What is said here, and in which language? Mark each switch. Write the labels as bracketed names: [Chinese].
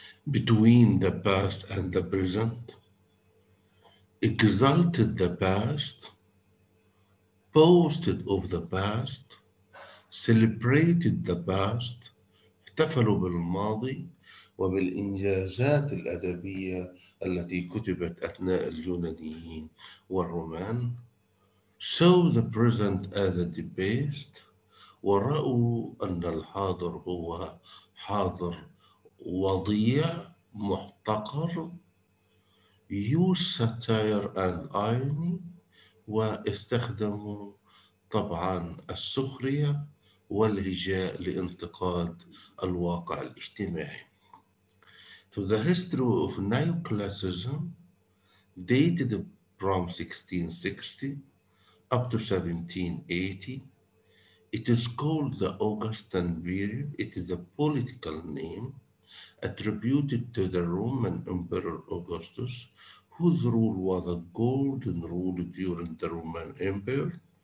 [English] between the past and the present, exalted the past, boasted of the past, celebrated the past, [Arabic] احتفلوا بالماضي وبالإنجازات الأدبية التي كتبت أثناء اليونانيين والرومان. [English] Saw the present as a debased [Arabic] ورأوا أن الحاضر هو حاضر وضيع محتقر [English] use satire and irony [Arabic] واستخدموا طبعا السخرية والهجاء لانتقاد الواقع الاجتماعي. [English] So the history of Neoclassicism dated from 1660 up to 1780. It is called the Augustan period. It is a political name attributed to the Roman Emperor Augustus, whose rule was a golden rule during the Roman Empire.